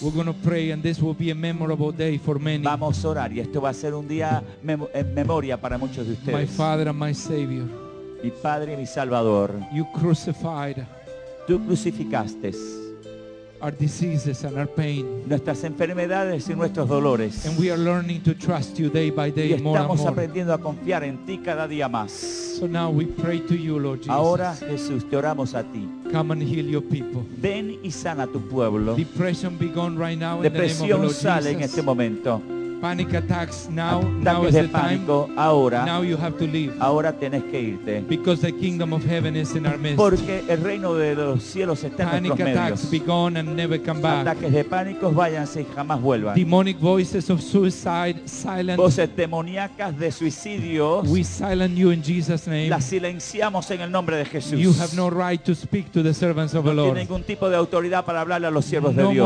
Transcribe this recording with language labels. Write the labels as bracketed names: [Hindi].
[English] We're going to pray and this will be a memorable day for many. [Spanish] Vamos a orar y esto va a ser un día en memoria para muchos de ustedes. [English] My Father and my Savior. [Spanish] Mi Padre y mi Salvador. [English] You crucified. [Spanish] Tú crucificaste. [English] Our diseases and our pain. [Spanish] Nuestras enfermedades y nuestros dolores. [English] And we are learning to trust you day by day [Spanish] y estamos [English] more and more. [Spanish] Aprendiendo a confiar en ti cada día más. [English] So now we pray to you, Lord Jesus. [Spanish] Ahora, Jesús, te oramos a ti. [English] Come and heal your people. [Spanish] Ven y sana tu pueblo. [English] Depression be gone right now. [Spanish] Depresión [English] in the name of the Lord Jesus. [Spanish] En este momento. [English] Panic attacks now. [Spanish] Ataques [English] now is [Spanish] de [English] the [Spanish] pánico, [English] time. [Spanish] Ahora. [English] Now you have to leave. [Spanish] Ahora tienes que irte. [English] Because the kingdom of heaven is in our midst. [Spanish] Porque el reino de los cielos está [English] panic [Spanish] en nuestros medios. [English] Panic attacks be gone and never come back. [Spanish] Ataques de pánico, váyanse y jamás vuelvan. [English] Demonic voices of suicide, silence. [Spanish] Voces demoníacas de suicidios. [English] We silence you in Jesus' name. [Spanish] Las silenciamos en el nombre de Jesús. [English] You have no right to speak to the servants of the Lord. [Spanish] No tienes ningún tipo de autoridad para hablarle a los siervos de Dios.